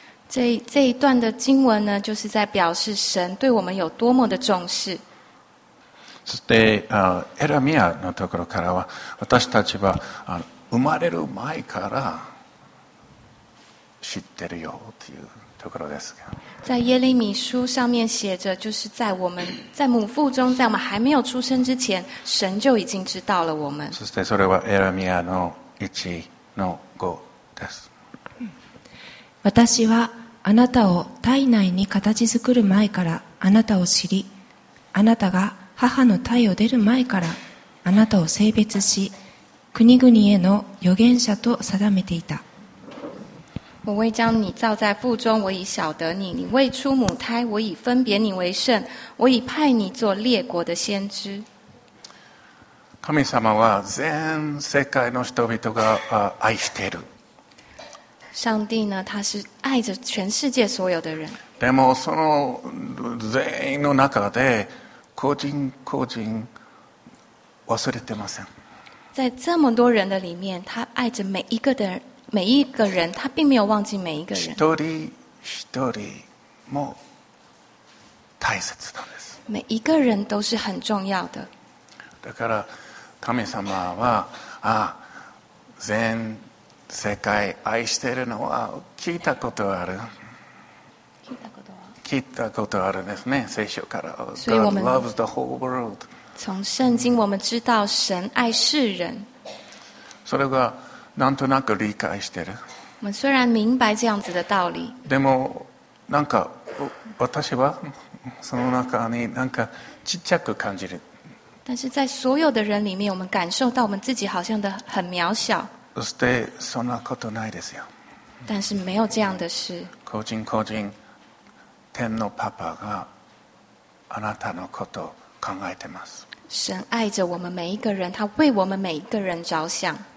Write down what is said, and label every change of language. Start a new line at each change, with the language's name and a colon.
Chinese: 这一段的经文呢，就是在表示神对我们有多么的重视。
Japanese: そしてエレミアのところからは、私たちは生まれる前から知ってるよというところです。
Chinese: 在耶利米书上面写着，就是在我们在母腹中，在我们还没有出生之前，神就已经知道了我们。
Japanese: そしてそれはエレミアの1の5です。私はあなたを体内に形作る前からあなたを知り、あなたが母の胎を出る前からあなたを性別し、国々への預言者と定めていた。
Chinese: 我未将你造在腹中，我已晓得你。你未出母胎，我已分别你为圣。我已派你做列国的先知。
Japanese: 神様は全世界の人々が愛している。
Chinese: 上帝呢，他是爱着全世界所有的人。
Japanese: でもその全員の中で個人個人忘れてません。
Chinese: 在这么多人的里面，他爱着每一个的人。每一个人，他并没有忘记每一个人。
Japanese: 一人一人も大切なんです。
Chinese: 每一个人都是很重要的。
Japanese: だから神様は全世界愛しているのは聞いたことある。聞いたことは。聞いたことあるですね、聖書から。
English: God loves the whole world。
Chinese: 从圣经我们知道神爱世人。
Japanese: それがなんとなく理解してる。
Chinese: 我们虽然明白这样子的道理。
Japanese: でもなんか私はその中になんかちっちゃく感じる。
Chinese: 但是在所有的人里面，我们感受到我们自己好像的很渺小。
Japanese: そしてそんなことないですよ。
Chinese: 但是没有这样的事。
Japanese: 個人個人、天のパパがあなたのことを考えてます。
Chinese: 神爱着我们每一个人，他为我们每一个人着想。